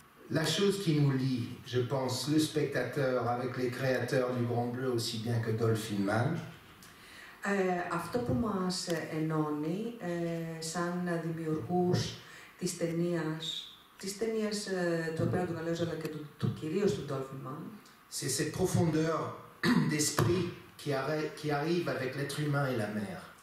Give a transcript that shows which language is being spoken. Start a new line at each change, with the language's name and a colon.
French: La chose qui nous lie, je pense, le spectateur avec les créateurs du Grand Bleu aussi bien que Dolph Inman.
Greek: Αυτό που μας ενώνει σαν δημιουργούς της ταινίας του Πέρα του Γαλέζου αλλά και του κυρίως του Dolph Inman.
French: C'est cette profondeur d'esprit qui arrive avec l'être humain et la mer.